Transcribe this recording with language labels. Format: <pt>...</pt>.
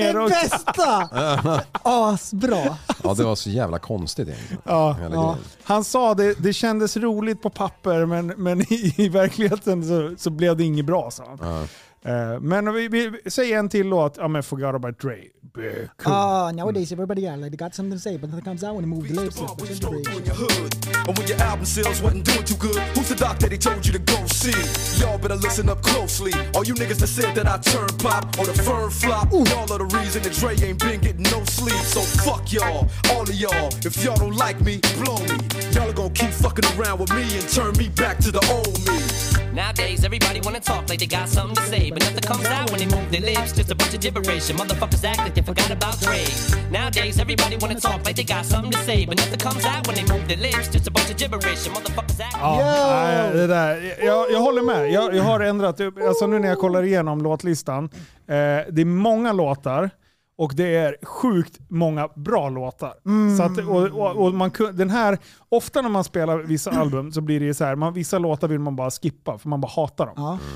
<sv>Det är det bästa! Asbra! Ja, det var så jävla konstigt egentligen. Ja, han sa att det kändes roligt på papper men i verkligheten så blev det inget bra, sa han. Men vi säger en till låt, ja, men Forgot About Dre.</sv> <en>back. Ah, nowadays everybody got like, they got something to say, but nothing comes out when they move the lips. And when your album sales wasn't doing too good, who's the doc that he told you to go see? Y'all better listen up closely. All you niggas that said that I turn pop or the firm flop. Ooh. Y'all are the reason that Dre ain't been getting no sleep. So fuck y'all, all of y'all. If y'all don't like me, blow me. Y'all are gonna keep fucking around with me and turn me back to the old me. Nowadays, everybody wanna talk like they got something to say, but nothing comes out when they move their lips. Just a bunch of gibberish, and motherfuckers act like they forgot about Dre. Nowadays, everybody wanna talk like they got something to say, but nothing comes out when they move their lips. Just a bunch of gibberish, and motherfuckers act like they forgot about Dre. Yeah,</en> <sv>det där. Jag håller med. Jag har ändrat. Alltså nu när jag kollar igenom låtlistan, det är många låtar. Och det är sjukt många bra låtar. Mm. Så att, och man, den här, ofta när man spelar vissa album så blir det ju så här. Man, vissa låtar vill man bara skippa för man bara hatar dem.</sv>